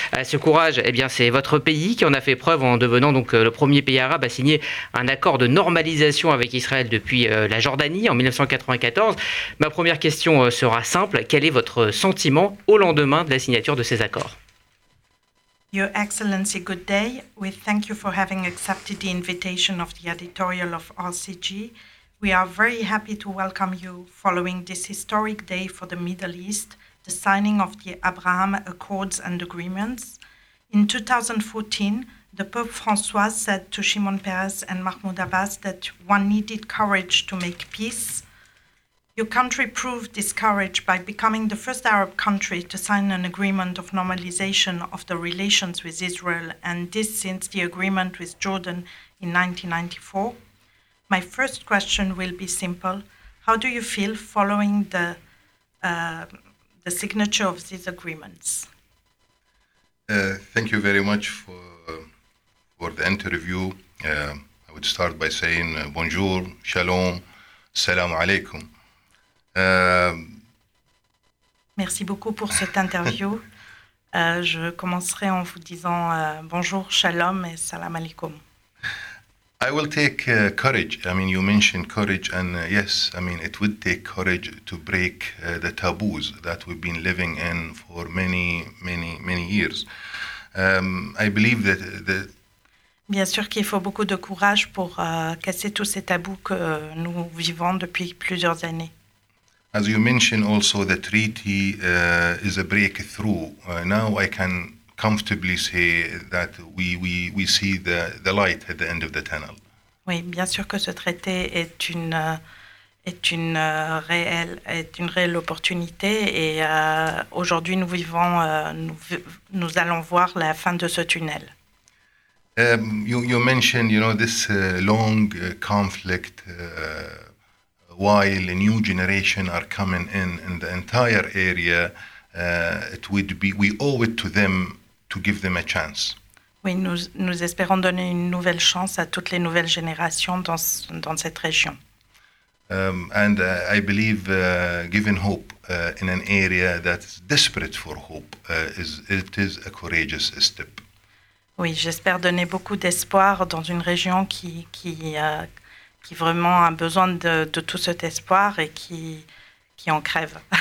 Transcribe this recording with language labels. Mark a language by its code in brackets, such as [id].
[fr] Ce courage, eh bien, c'est votre pays qui en a fait preuve en devenant donc le premier pays arabe à signer un accord de normalisation avec Israël depuis la Jordanie en 1994. Ma première question sera simple. Quel est votre sentiment au lendemain de la signature de ces accords? [en] Your Excellency, good day. We thank you for having accepted the invitation of the editorial of RCG. We are very happy to welcome you following this historic day for the Middle East, the signing of the Abraham Accords and Agreements. In 2014, the Pope François said to Shimon Peres and Mahmoud Abbas that one needed courage to make peace. Your country proved this courage by becoming the first Arab country to sign an agreement of normalization of the relations with Israel, and this since the agreement with Jordan in 1994. My first question will be simple. How do you feel following the signature of these agreements? Thank you very much for the interview. I would start by saying bonjour, shalom, salam alaikum. [fr] Merci beaucoup pour cette interview. Je commencerai en vous disant bonjour, shalom et salam alaikum. [en] I will take courage. I mean, you mentioned courage, and yes, I mean, it would take courage to break the taboos that we've been living in for many, many, many years. I believe that the [fr] Bien sûr qu'il faut beaucoup de courage pour casser tous ces tabous que nous vivons depuis plusieurs années. [en] As you mentioned also, the treaty is a breakthrough. Now I can comfortably say that we see the light at the end of the tunnel. [fr] Oui, bien sûr que ce traité est une réelle opportunité, et aujourd'hui nous vivons nous allons voir la fin de ce tunnel. [en] You mentioned, you know, this long conflict while a new generation are coming in the entire area, we owe it to them to give them a chance. [fr] Oui, nous espérons donner une nouvelle chance à toutes les nouvelles générations dans cette région. [en] I believe giving hope in an area that's desperate for hope is a courageous step. [fr] Oui, j'espère donner beaucoup d'espoir dans une région qui vraiment a besoin de tout cet espoir et qui en crève.